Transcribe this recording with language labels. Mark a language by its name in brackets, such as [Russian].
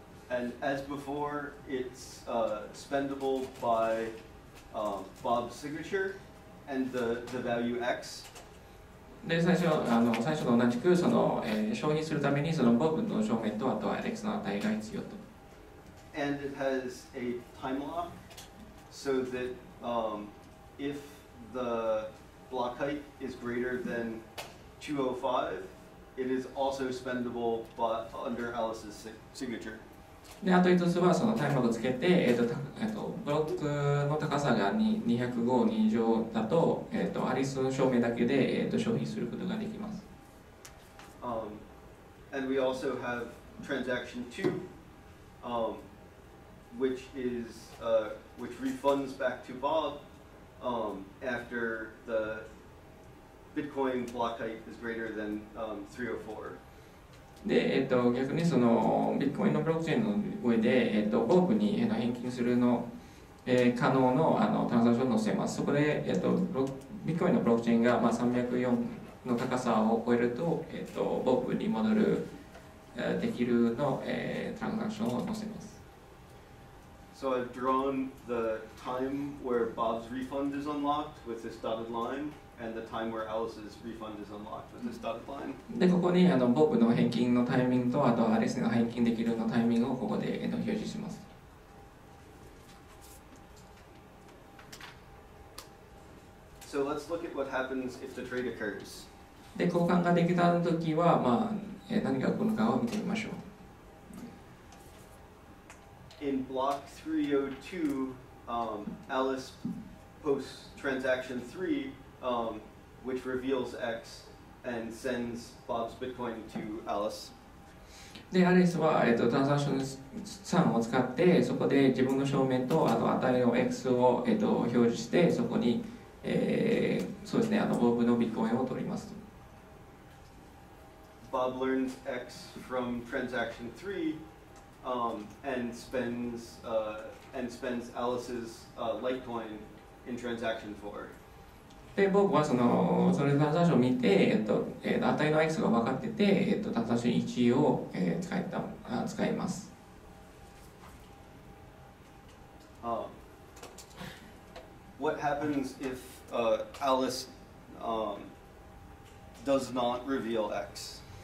[English] And as before, it's spendable by Bob's signature and the value X. [Japanese] で最初と同じくその、消費するためにそのボブの証明とあとは X の値が必要と。 [English] And it has a time lock so that if the block height is greater than 205, it is also spendable but under Alice's signature. [Japanese] であと一つはそのタイムをつけて、ブロックの高さが205以上だと、アリスの証明だけで、消費することができます。 [English] And we also have transaction 2, which is, which refunds back to Bob, after the Bitcoin block height is greater than 304. [Japanese] で逆にそのビットコインのブロックチェーンの上で、ボブに返金するの、可能 の, あのトランザクションを載せます。そこで、ビットコインのブロックチェーンが、まあ、304の高さを超えると、ボブに戻る、できるの、トランザクションを載せます。 [English] So I've drawn the time where Bob's refund is unlocked with this dotted line. And the time where Alice's refund is unlocked with this dotted line. [Japanese] でここにボブの返金のタイミングとあとアリスの返金できるのタイミングをここで表示します。 [English] So let's look at what happens if the trade occurs. [Japanese] で交換ができた時は、まあ、何が起こるかを見てみましょう。 [English] In block 302, Alice posts transaction 3. which reveals X and sends Bob's Bitcoin to Alice. [Japanese] で、アリスは、トランザクション3を使って、そこで自分の証明と、あと値の X を、表示して、そこに、そうですね、ボブのビットコインを取ります。 [English] Bob learns X from transaction 3, and spends Alice's Litecoin in transaction 4. [Japanese] で僕はそのそれのトランザクションを見て、値の X が分かってて、トランザクション1を、使います。 [English] What happens if Alice does not reveal X?